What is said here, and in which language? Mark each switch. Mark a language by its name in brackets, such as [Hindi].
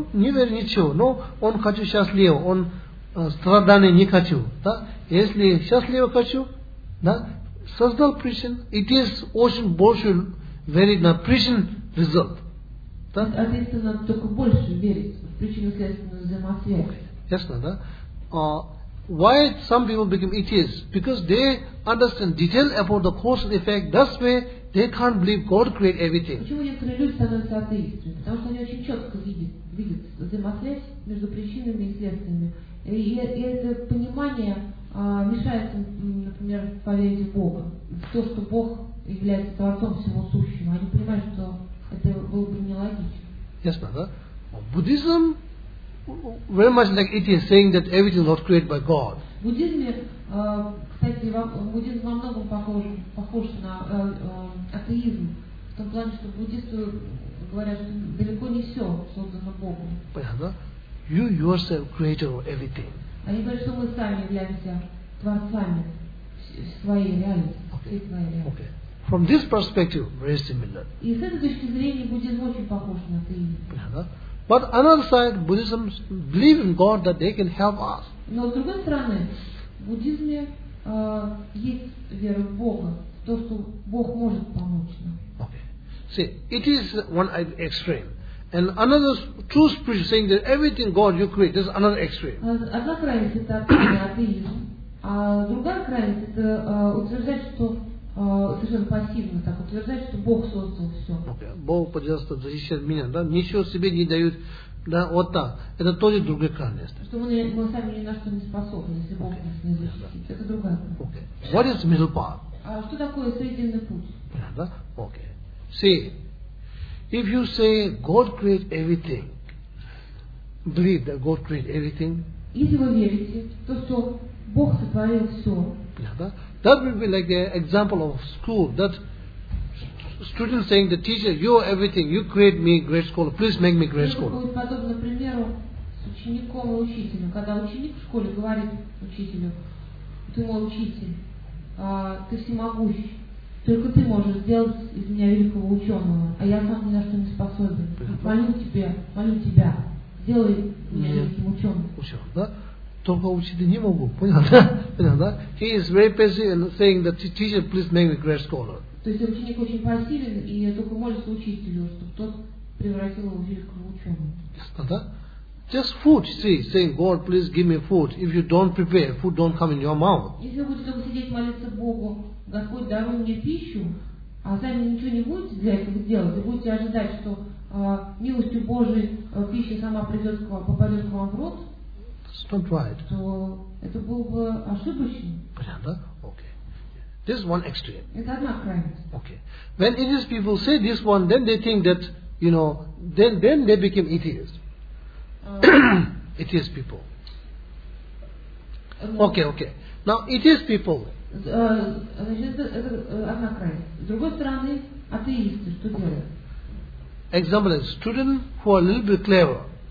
[Russian] Не верит ничего, но он хочу счастливо, он страданий не хочу. Да? Если счастливо хочу, да? Создал причин. [English] It is [Russian] очень большой верить на причин результат. Да? Ответственно только больше верить в причину следственную взаимосвязь. Ясно, да? [English] Why some people become atheists? Because they understand detail about the cause and effect. That's why they can't believe God created everything. [Russian] Почему некоторые люди становятся атеистами? Потому что они очень четко видят взаимосвязь между причинами и следствиями. И это понимание мешает, например, поверить в Бога. В то, что Бог является творцом всего сущего. Они понимают, что это было бы нелогично. Ясно, да? Буддизм [English] very much like it is saying that everything was created by God. [Russian] Буддизм, кстати, буддизм во многом похож на атеизм. В том плане, что буддисты говорят, что далеко не все создано Богом. Понятно? [English] You yourself creator of everything. [Russian] Они говорят, что мы сами являемся творцами [English] Okay. From this perspective, very similar. But on the other side, Buddhism believe in God that they can help us. [Russian] Но с другой стороны, в буддизме есть вера в Бога, то, что Бог может помочь нам. [English] Okay. See, it is one extreme. And another true spirit saying that everything God you create, this is another extreme. [Russian] Одна крайность это атеизм, а другая крайность это утверждать, что совершенно пассивно так утверждать, что Бог создал все. [English] Okay. [Russian] Бог, пожалуйста, защищает от меня, да? Ничего себе не дают. Да, вот так. Это тоже другая крайность. Что мы сами ни на что не способны, если Бог нас не защитит. Это другая крайность. [English] Okay. What is middle path? [Russian] А что такое срединный путь? Да. [English] Okay. See, if you say God create everything, believe that God create everything. [Russian] Если вы верите, то что Бог сотворил все. Да. [English] That will be like an example of school that. Students saying the teacher, you are everything. You create me great scholar. Please make me great scholar. [Russian] Это будет подобно примеру с учеником и учителем. Когда ученик в школе говорит учителю, ты мой учитель, ты всемогущий, только ты можешь сделать из меня великого ученого, а я сам ни на что не способен. Молю тебя, сделай меня великим ученым. Только учитель не могу, понятно, да? [English] He is very busy and saying that teacher, please make me great scholar. [Russian] То есть ученик очень пассивен и только молится учителю, чтобы тот превратил его в великого ученого. Да? [English] Just food, see, saying, God, please give me food. If you don't prepare, food don't come in your mouth. [Russian] Если вы будете только сидеть молиться Богу, Господь, даруй мне пищу, а сами ничего не будете для этого делать, вы будете ожидать, что милостью Божией пища сама придет к вам, попадет к вам в рот, то это было бы ошибочно. Понятно? [English] Okay. This is one extreme. [Russian] Это одна крайность. [English] Okay. When Indian people say this one, then they think that, you know, then they became atheists. atheist people. Okay. Now, atheist people. [Russian] Значит, это одна крайность. С другой стороны, атеисты что делают? [English] Example is, students who are a little bit clever.